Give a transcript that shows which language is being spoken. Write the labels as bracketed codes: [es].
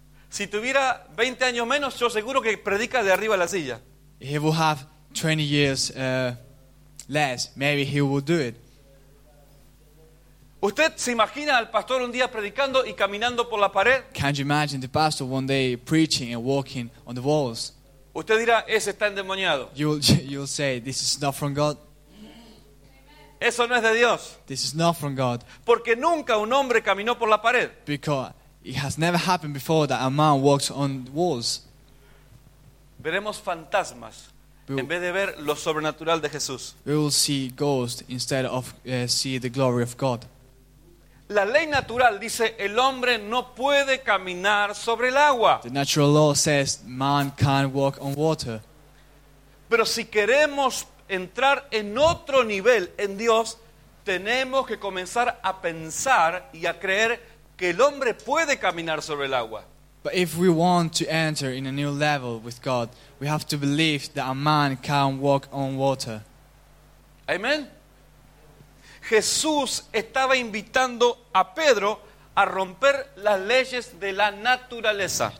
[es] Si tuviera 20 años menos, yo seguro que predica de arriba a la silla. [en] If he would have 20 years less, maybe he would do it. [es] ¿Usted se imagina al pastor un día predicando y caminando por la pared? [en] Can you imagine the pastor one day preaching and walking on the walls? [es] Usted dirá, ese está endemoniado. [en] You'll say, this is not from God. [es] Eso no es de Dios. [en] This is not from God. [es] Porque nunca un hombre caminó por la pared. [en] Because it has never happened before that a man walks on walls. [es] Veremos fantasmas en vez de ver lo sobrenatural de Jesús. [en] We will see ghosts instead of see the glory of God. [es] La ley natural dice el hombre no puede caminar sobre el agua. [en] The natural law says man can't walk on water. [es] Pero si queremos entrar en otro nivel en Dios, tenemos que comenzar a pensar y a creer que el hombre puede caminar sobre el agua. [en] But if we want to enter in a new level with God, we have to believe that a man can walk on water. Amen. [es] Jesús estaba invitando a Pedro a romper las leyes de la naturaleza.